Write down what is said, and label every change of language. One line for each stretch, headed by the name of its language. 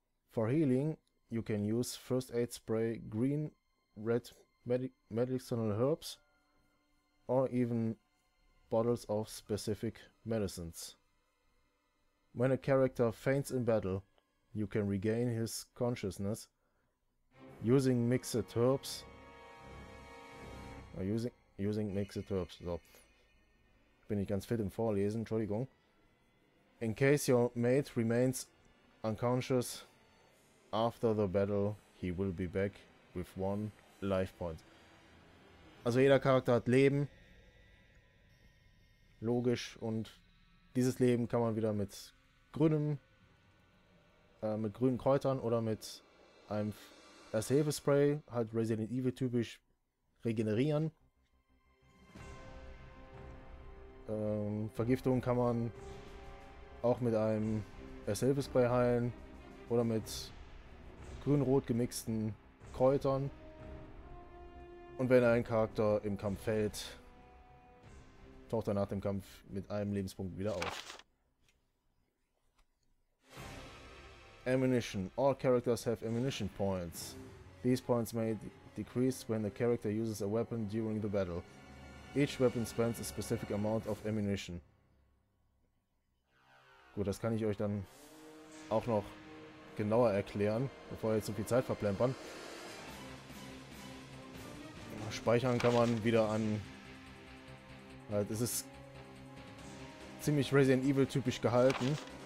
English: For healing, you can use first aid spray, green, red medicinal herbs or even bottles of specific medicines. When a character faints in battle, you can regain his consciousness using mixed herbs or using mixed herbs.
German: So, bin ich ganz fit im Vorlesen, Entschuldigung. In case your mate remains unconscious after the battle, he will be back with one life point. Also jeder Charakter hat Leben. Logisch. Und dieses Leben kann man wieder mit grünen Kräutern oder mit einem Erste-Hilfe-Spray, halt Resident Evil typisch, regenerieren. Vergiftung kann man auch mit einem Erste-Hilfe-Spray heilen oder mit grün-rot gemixten Kräutern. Und wenn ein Charakter im Kampf fällt, taucht er nach dem Kampf mit einem Lebenspunkt wieder auf.
English: Ammunition. All characters have ammunition points. These points may decrease when the character uses a weapon during the battle. Each weapon spends a specific amount of ammunition.
German: Gut, das kann ich euch dann auch noch genauer erklären, bevor wir jetzt zu viel Zeit verplempern. Speichern kann man wieder an. Das ist ziemlich Resident Evil typisch gehalten.